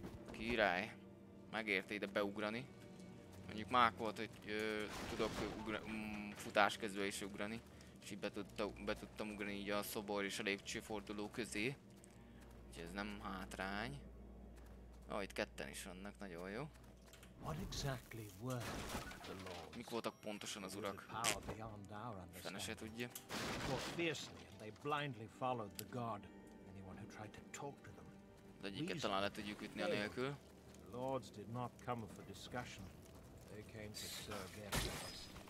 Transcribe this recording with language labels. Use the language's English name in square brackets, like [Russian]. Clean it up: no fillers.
[Hungarian] Király. Megérte ide beugrani. Mondjuk mák volt, hogy tudok futás közben is ugrani. És így be tudtam ugrani így a szobor és a lépcsőforduló közé. Úgyhogy ez nem hátrány. Ó, itt ketten is vannak, nagyon jó. [English] What exactly were the lords? [Hungarian] Mik voltak pontosan az urak? Fene se tudja. [English] They blindly followed the god. Anyone who tried to talk to them. [Hungarian] De egyiket talán le tudjuk ütni anélkül. [English] The lords did not come for discussion. They came to serve their purpose.